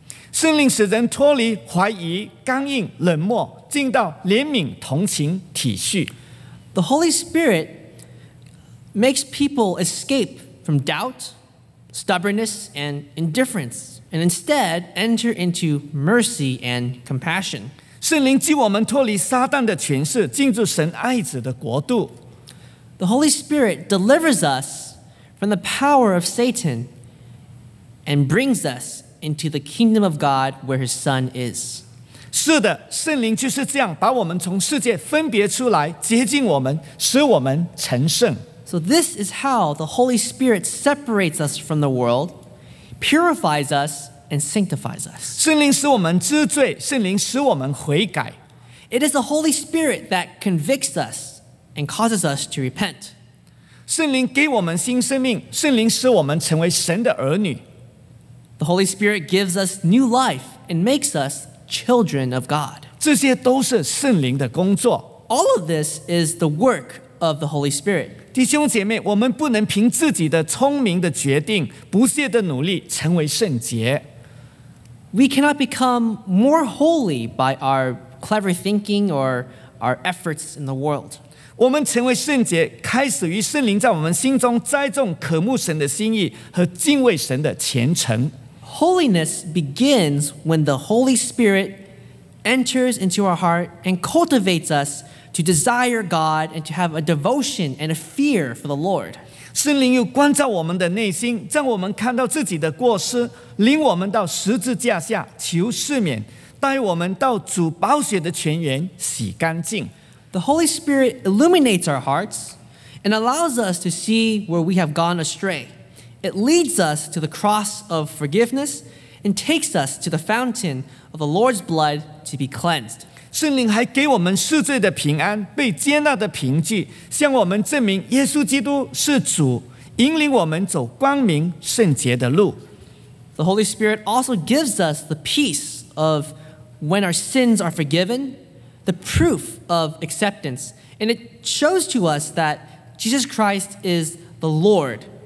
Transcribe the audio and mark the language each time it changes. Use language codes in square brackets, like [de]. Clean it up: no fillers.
[zh] 圣灵使人脱离怀疑、刚硬、冷漠，进到怜悯、同情、体恤。 [en] The Holy Spirit makes people escape from doubt, stubbornness, and indifference. And instead, enter into mercy and compassion. [zh] 圣灵替我们脱离撒旦的权势，进入神爱子的国度。 [en] The Holy Spirit delivers us from the power of Satan and brings us into the kingdom of God where his son is. [zh] 是的，圣灵就是这样把我们从世界分别出来，洁净我们，使我们成圣。 [en] So this is how the Holy Spirit separates us from the world. Purifies us and sanctifies us. [zh] 圣灵使我们知罪，圣灵使我们悔改。 [en] It is the Holy Spirit that convicts us and causes us to repent. [zh] 圣灵给我们新生命，圣灵使我们成为神的儿女。 [en] The Holy Spirit gives us new life and makes us children of God. [zh] 这些都是圣灵的工作。 [en] All of this is the work of the Holy Spirit. [zh] 弟兄姐妹，我们不能凭自己的聪明的决定、不懈的努力成为圣洁。 [en] We cannot become more holy by our clever thinking or our efforts in the world. [zh] 我们成为圣洁，开始于圣灵在我们心中栽种渴慕神的心意和敬畏神的虔诚。 [en] Holiness begins when the Holy Spirit enters into our heart and cultivates us. To desire God and to have a devotion and a fear for the Lord. [zh] 圣灵又光照我们的内心，让我们看到自己的过失，领我们到十字架下求赦免，带我们到主宝血的泉源洗干净。 [en] The Holy Spirit illuminates our hearts and allows us to see where we have gone astray. It leads us to the cross of forgiveness and takes us to the fountain of the Lord's blood to be cleansed. [zh] 圣灵还给我们赦罪的平安，被接纳的凭据，向我们证明耶稣基督是主，引领我们走光明圣洁的路。 [en] The Holy Spirit also gives us the peace of when our sins are forgiven, the proof of acceptance, and it shows to us that Jesus Christ is the Lord.